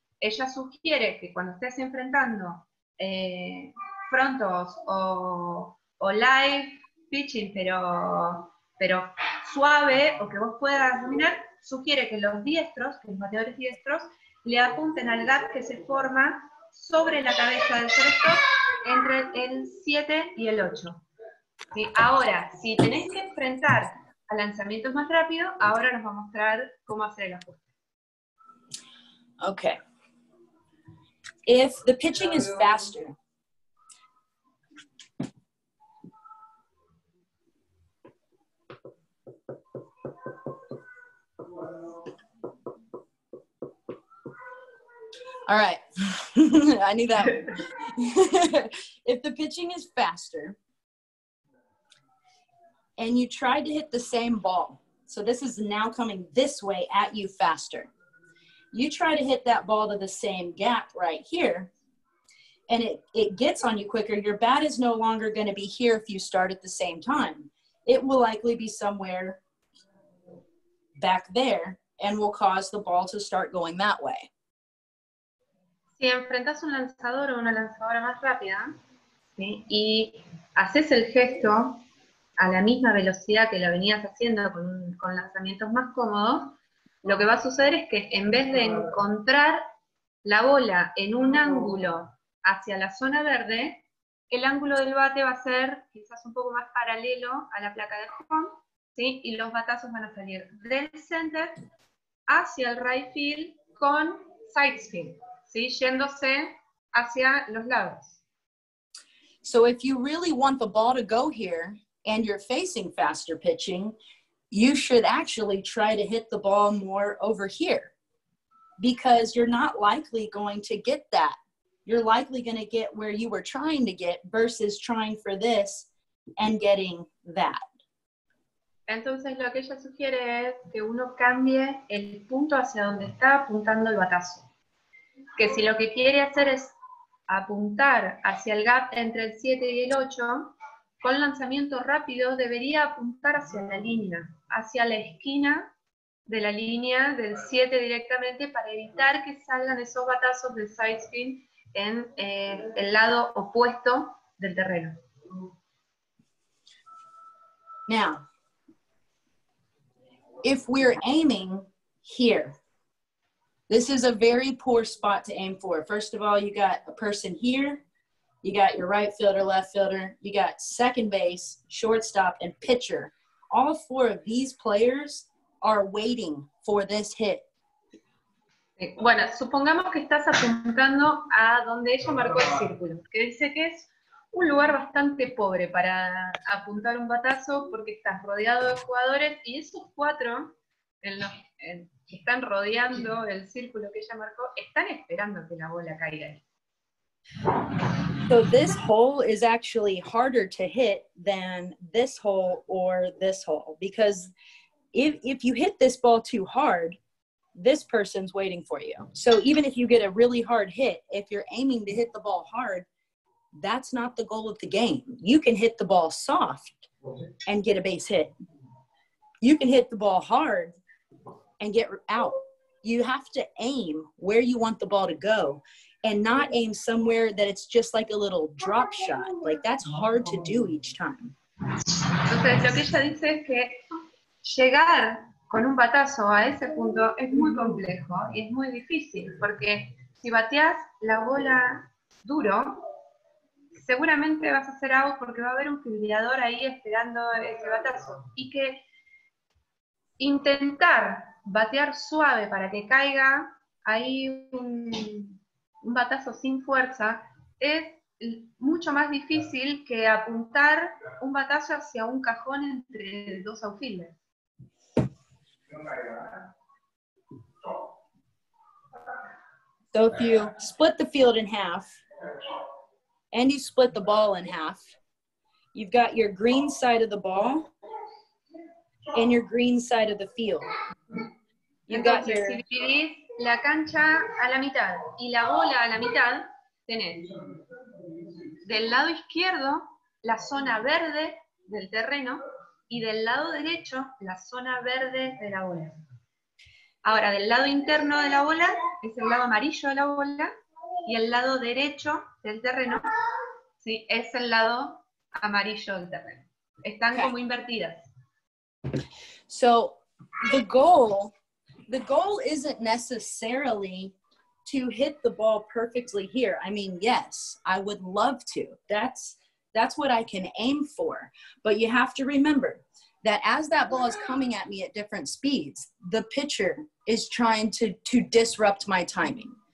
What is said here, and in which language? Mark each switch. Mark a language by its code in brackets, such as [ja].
[es] Ella sugiere que cuando estés enfrentando frontos o live pitching, pero suave, o que vos puedas dominar, sugiere que los diestros, que los bateadores diestros, le apunten al gap que se forma sobre la cabeza del cesto entre el 7 y el 8. ¿Sí? Ahora, si tenés que enfrentar a lanzamientos más rápidos, ahora nos va a mostrar cómo hacer el ajuste. Ok. [en] If the pitching is faster, all right, I knew that. If the pitching is faster and you tried to hit the same ball, so this is now coming this way at you faster, you try to hit that ball to the same gap right here and it gets on you quicker, your bat is no longer going to be here if you start at the same time. It will likely be somewhere back there and will cause the ball to start going that way. [es] Si enfrentas un lanzador o una lanzadora más rápida, ¿sí? Y haces el gesto a la misma velocidad que la venías haciendo con lanzamientos más cómodos, lo que va a suceder es que en vez de encontrar la bola en un ángulo hacia la zona verde, el ángulo del bate va a ser quizás un poco más paralelo a la placa de home, ¿sí? Y los batazos van a salir del center hacia el right field con side spin. ¿Sí? Yéndose hacia los lados. [en] So if you really want the ball to go here and you're facing faster pitching, you should actually try to hit the ball more over here because you're not likely going to get that. You're likely going to get where you were trying to get versus trying for this and getting that. [es] Entonces lo que ella sugiere es que uno cambie el punto hacia donde está apuntando el batazo. Que si lo que quiere hacer es apuntar hacia el gap entre el 7 y el 8, con lanzamiento rápido debería apuntar hacia la línea, hacia la esquina de la línea del 7 directamente, para evitar que salgan esos batazos del side spin en el lado opuesto del terreno. [en] Now, if we're aiming here, this is a very poor spot to aim for. First of all, you got a person here, you got your right fielder, left fielder, you got second base, shortstop, and pitcher. All four of these players are waiting for this hit. [es] Bueno, supongamos que estás apuntando a donde ella marcó el círculo, que dice que es un lugar bastante pobre para apuntar un batazo porque estás rodeado de jugadores y esos cuatro, están rodeando el círculo que ella marcó, están esperando que la bola caiga. [en] So this hole is actually harder to hit than this hole or this hole, because if you hit this ball too hard, this person's waiting for you. So even if you get a really hard hit, if you're aiming to hit the ball hard, that's not the goal of the game. You can hit the ball soft and get a base hit. You can hit the ball hard and get out. You have to aim where you want the ball to go and not aim somewhere that it's just like a little drop shot. Like, that's hard to do each time. [es] Entonces, lo que ella dice es que llegar con un batazo a ese punto es muy complejo y es muy difícil, porque si bateas la bola duro, seguramente vas a hacer out porque va a haber un fildeador ahí esperando ese batazo. Y que intentar batear suave para que caiga ahí un batazo sin fuerza es mucho más difícil que apuntar un batazo hacia un cajón entre dos outfielders. [en] So if you split the field in half and you split the ball in half, you've got your green side of the ball and your green side of the field. You've got your... [es] Si dividís la cancha a la mitad y la bola a la mitad, tenés del lado izquierdo la zona verde del terreno y del lado derecho la zona verde de la bola. Ahora, del lado interno de la bola es el lado amarillo de la bola y el lado derecho del terreno, sí, es el lado amarillo del terreno. Están okay. como invertidas. [en] So, the goal isn't necessarily to hit the ball perfectly here. I mean, yes, I would love to. That's what I can aim for. But you have to remember that as that ball is coming at me at different speeds, the pitcher is trying to disrupt my timing.